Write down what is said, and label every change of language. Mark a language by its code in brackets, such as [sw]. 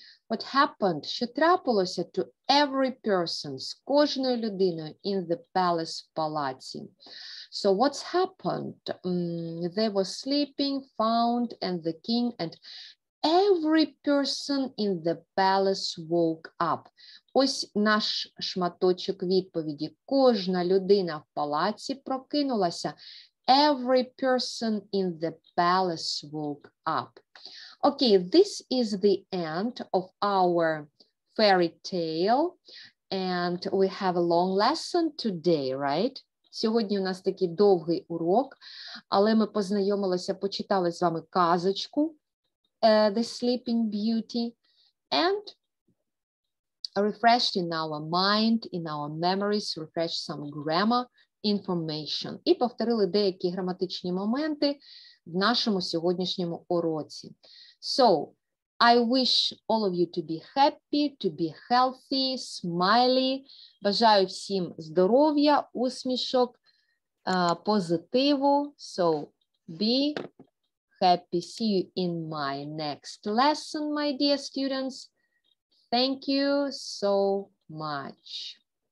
[en] What happened? [uk] Що трапилося [en] to every person, [uk] з кожною людиною [en] in the palace, [uk] в палаці? [en] So what's happened? They were sleeping, found, and the king and... Every person in the palace woke up. [uk] Ось наш шматочок відповіді. Кожна людина в палаці прокинулася. [en] Every person in the palace woke up. Okay, this is the end of our fairy tale. And we have a long lesson today, right? [uk] Сьогодні у нас такий довгий урок. Але ми познайомилися, почитали з вами казочку. [en] The Sleeping Beauty, and refreshed in our mind, in our memories, refreshed some grammar information. [uk] І повторили деякі граматичні моменти в нашому сьогоднішньому уроці. [en] So, I wish all of you to be happy, to be healthy, smiley. [uk] Бажаю всім здоров'я, усмішок, позитиву. [en] So, be happy. See you in my next lesson, my dear students. Thank you so much.